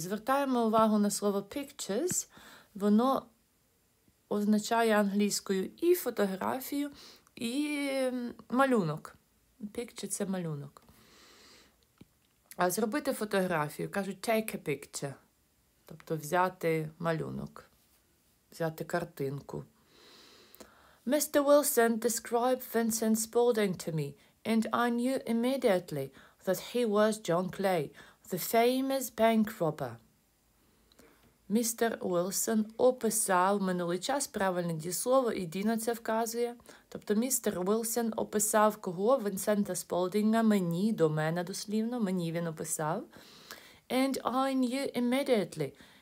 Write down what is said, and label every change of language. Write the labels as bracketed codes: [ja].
[uk] Звертаємо увагу на слово pictures. Воно означає англійською і фотографію, і малюнок. Picture – це малюнок. А зробити фотографію, кажуть [en] take a picture, [uk] тобто взяти малюнок, взяти картинку. [en] Mr. Wilson described Vincent Spaulding to me, and I knew immediately that he was John Clay, the famous bank robber. [uk] Містер Уілсон описав, минулий час правильне дієслово, і Діна це вказує. Тобто містер Уілсон описав кого? Вінсента Сполдінга, мені, до мене дослівно, мені він описав. [en] And I knew immediately.